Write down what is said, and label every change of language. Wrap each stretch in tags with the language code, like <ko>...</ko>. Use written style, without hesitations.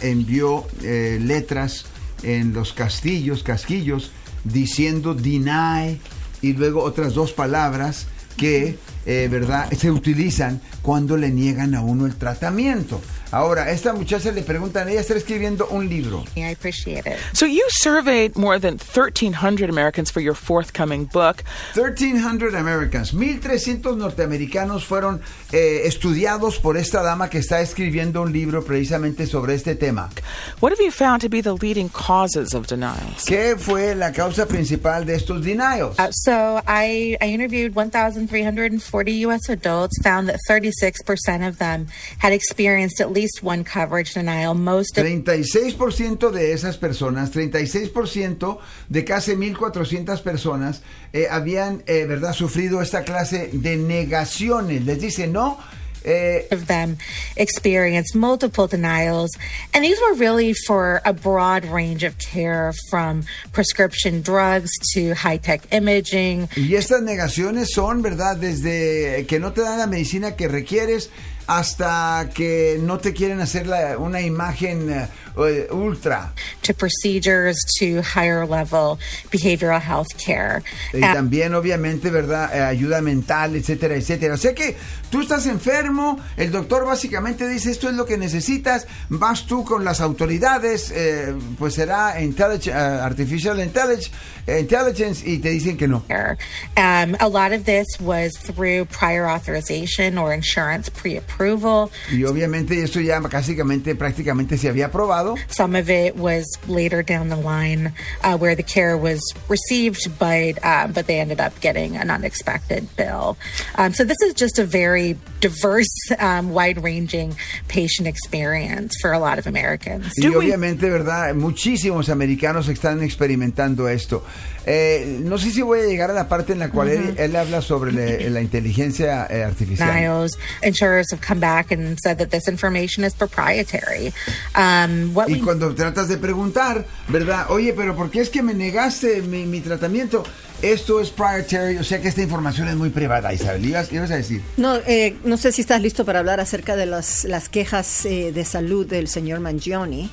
<es>Envió letras en los casquillos diciendo deny, y luego otras dos palabras que, ¿verdad?, se utilizan cuando le niegan a uno el tratamiento. Ahora, esta muchacha le preguntan, ella está escribiendo un libro.</es> <en>I appreciate it. So you surveyed more than 1,300 Americans for your forthcoming book. 1,300 Americans.</en> <es>1,300 norteamericanos fueron estudiados por esta dama que está escribiendo un libro precisamente sobre este tema.</es> <en>What have you found to be the leading causes of denials?</en> <es>¿Qué fue la causa principal de estos denials?</es> <en>So I interviewed 1,340 U.S. adults, found that 36% of them had experienced at least one coverage denial. Most</en> <es>36% de esas personas, 36% de casi 1,400 personas habían, ¿verdad?, sufrido esta clase de negaciones. Les dice no.</es> <en>Of them experienced multiple denials, and these were really for a broad range of care, from prescription drugs to high-tech imaging.</en> <es>Y estas negaciones son, ¿verdad?, desde que no te dan la medicina que requieres hasta que no te quieren hacer una imagen ultra.</es> <en>To procedures to higher level behavioral health care.</en> <es>Y también, obviamente, ¿verdad?, ayuda mental, etcétera, etcétera. O sea que tú estás enfermo, el doctor básicamente dice esto es lo que necesitas, vas tú con las autoridades, pues será</es> <en>artificial intelligence,</en> <es>y te dicen que no.</es> <en>A lot of this was through prior authorization or insurance pre-approval.</en> <es>Y obviamente esto ya básicamente prácticamente se había aprobado.</es> <en>Some of it was later down the line where the care was received, but they ended up getting an unexpected bill. So this is just a very diverse, wide-ranging patient experience for a lot of Americans.</en> <es>Y obviamente, ¿verdad?, muchísimos americanos están experimentando esto. No sé si voy a llegar a la parte en la cual él habla sobre la inteligencia artificial.</es> <en>Niles, insurers have come back and said that this information is proprietary.</en> <es>Y cuando tratas de preguntar, ¿verdad?, oye, pero ¿por qué es que me negaste mi tratamiento? Esto es proprietary, o sea que esta información es muy privada. Isabel, ¿qué ibas a decir? No sé si estás listo para hablar acerca de las quejas de salud del señor Mangione.</es>